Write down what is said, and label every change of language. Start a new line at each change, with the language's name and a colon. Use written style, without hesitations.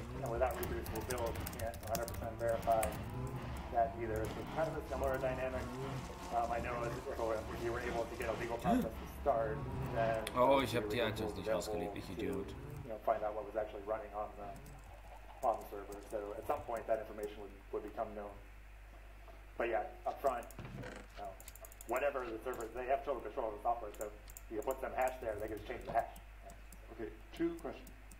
English: Without reproducible builds, you can't 100% verify that either. So it's kind of a similar dynamic. I know if you were able to get a legal process to start, then
German: ich habe die Adresse nicht ausgelegt, ich Idiot.
English: Find out what was actually running on the server. So at some point that information would become known. But yeah, up front, whatever the server, they have total control of the software, so you can put some hash there, they can just change the hash. Okay, two questions.